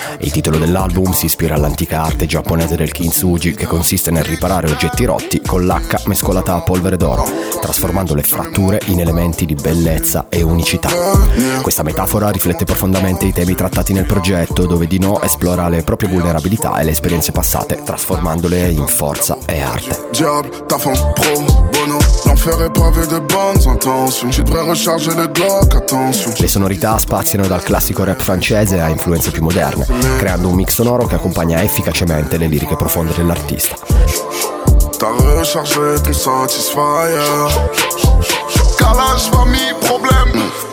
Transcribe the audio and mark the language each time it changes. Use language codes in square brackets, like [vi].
[it] Il titolo dell'album si ispira all'antica arte giapponese del Kintsugi, che consiste nel riparare oggetti rotti con lacca mescolata a polvere d'oro, trasformando le fratture in elementi di bellezza e unicità. Questa metafora riflette profondamente i temi trattati nel progetto, dove Dino esplora le proprie vulnerabilità e le esperienze passate, trasformandole in forza e arte. [fr] Diable, ta fond pro bono, l'enfer est pavé de bonnes intentions, je devrais recharger le Glock, attention. [it] Le sonorità spaziano dal classico rap francese a influenze più moderne, creando un mix sonoro che accompagna efficacemente le liriche profonde dell'artista. [fr] T'as rechargé ton satisfier, calage, famille, problème.